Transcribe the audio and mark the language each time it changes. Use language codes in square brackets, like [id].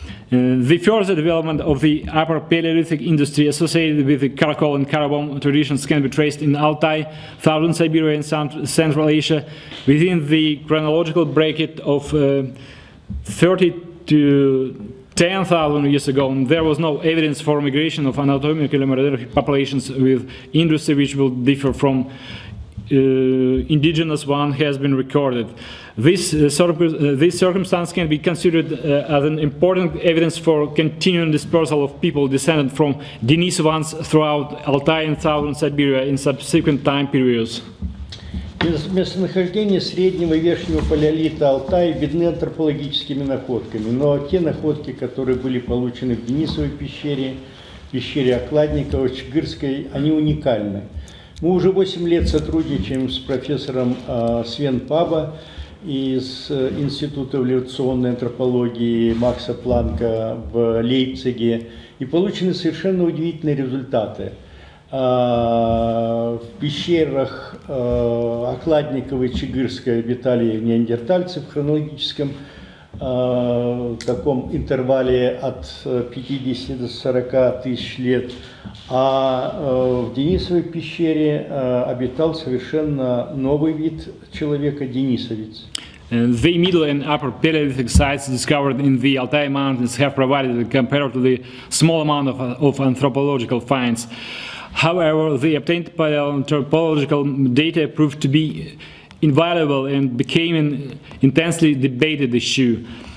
[en] The further development of the upper Palaeolithic industry associated with the charcoal and carbon traditions can be traced in Altai, Southern Siberia, and Central Asia within the chronological bracket of 30 to 10,000 years ago, and there was no evidence for migration of anatomically modern populations with industry which will differ from indigenous one has been recorded. This circumstance can be considered as an important evidence for continuing dispersal of people descended from Denisovans throughout Altai and Southern Siberia in subsequent time periods. [ru] Местонахождение среднего и верхнего палеолита Алтая видны антропологическими находками, но те находки, которые были получены в Денисовой пещере, пещере Окладника, Чигырской, они уникальны. Мы уже 8 лет сотрудничаем с профессором Свен Паба из Института эволюционной антропологии Макса Планка в Лейпциге, и получены совершенно удивительные результаты. В пещерах Окладниковой и Чигырской обитали неандертальцы в хронологическом таком интервале от 50 до 40 тысяч лет, а в Денисовой пещере обитал совершенно новый вид человека – денисовец. [en] The middle and upper Palaeolithic sites discovered in the Altai Mountains have provided a comparatively small amount of anthropological finds. However, the obtained paleoanthropological data proved to be invaluable and became an intensely debated issue.